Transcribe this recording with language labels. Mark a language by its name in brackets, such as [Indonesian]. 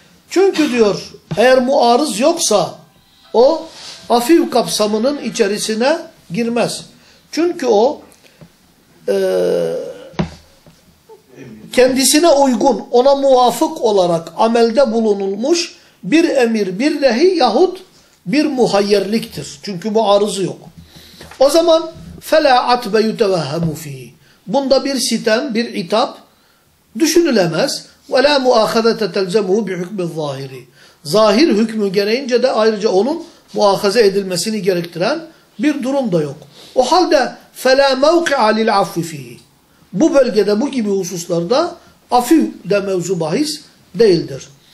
[Turkish] Çünkü diyor, eğer muarız yoksa o afiv kapsamının içerisine girmez. Çünkü o kendisine uygun, ona muvafık olarak amelde bulunulmuş bir emir, bir nehi yahut bir muhayyerliktir. Çünkü bu arızı yok. O zaman [Arabic] فَلَا عَتْبَ يُتَوَهَّمُ ف۪يهِ. [Turkish] Bunda bir sitem, bir itap düşünülemez. [Arabic] وَلَا مُؤَخَذَةَ تَلْزَمُهُ بِحُكْمِ الظَّاهِرِ. [Turkish] zahir hükmü gereğince de ayrıca onun muahaze edilmesini gerektiren bir durum da yok. O halde [Arabic] فَلَا مَوْقِعَ لِلْعَفْوِ فِيهِ. [Turkish] Bu bölgede bu gibi hususlarda afiv de mevzu bahis değildir.